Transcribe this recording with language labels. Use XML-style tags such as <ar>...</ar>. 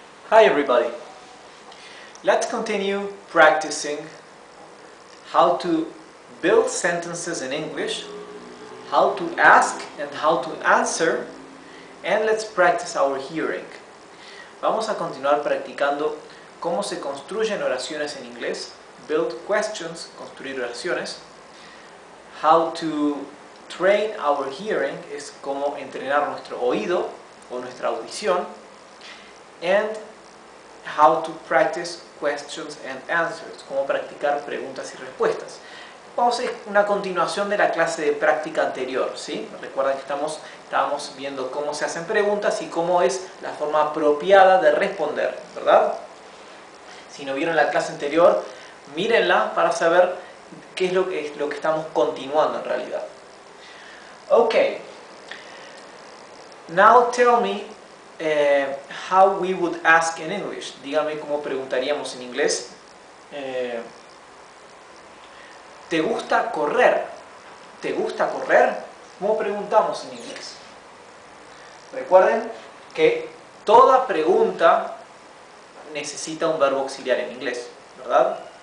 <en>Hi everybody, let's continue practicing how to build sentences in English, how to ask and how to answer, and let's practice our hearing.</en> <es>Vamos a continuar practicando cómo se construyen oraciones en inglés,</es> <en>build questions,</en> <es>construir oraciones,</es> <en>how to train our hearing,</en> <es>es cómo entrenar nuestro oído o nuestra audición,</es> <en>and how to practice questions and answers,</en> <es>cómo practicar preguntas y respuestas. Vamos a una continuación de la clase de práctica anterior, ¿sí? Recuerden que estábamos viendo cómo se hacen preguntas y cómo es la forma apropiada de responder, ¿verdad? Si no vieron la clase anterior, mírenla para saber qué es lo que estamos continuando en realidad. Ok.</es> <en>Now tell me how we would ask in English.</en> <es>Dígame cómo preguntaríamos en inglés. ¿Te gusta correr? ¿Te gusta correr? ¿Cómo preguntamos en inglés? Recuerden que toda pregunta necesita un verbo auxiliar en inglés, ¿verdad?</es>